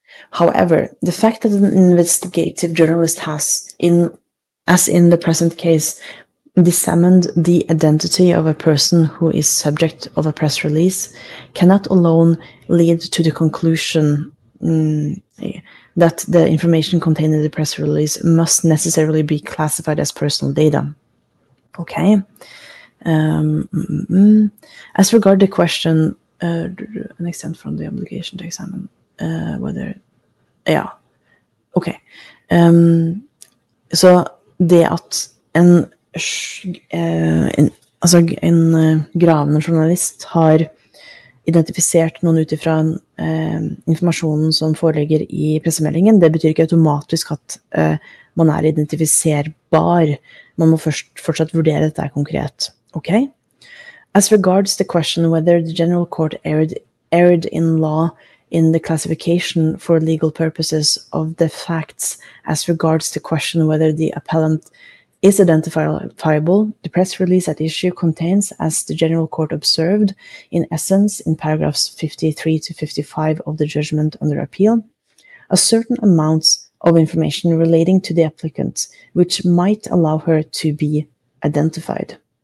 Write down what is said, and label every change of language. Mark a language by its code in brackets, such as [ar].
[en] However, the fact that an investigative journalist has, as in the present case, disseminated the identity of a person who is subject of a press release, cannot alone lead to the conclusion that the information contained in the press release must necessarily be classified as personal data. Okay. As regard the question. An exempt from the obligation to examine whether, yeah, okay. [no] Så det at en gravende journalist har identifisert noen utifra informasjonen som foreligger I pressemeldingen, det betyr ikke automatisk at man identifiserbar. Man må først fortsatt vurdere dette konkret, okay? [en] As regards the question whether the general court erred in law in the classification for legal purposes of the facts, as regards the question whether the appellant is identifiable, the press release at issue contains, as the general court observed, in essence, in paragraphs 53 to 55 of the judgment under appeal, a certain amount of information relating to the applicant, which might allow her to be identified.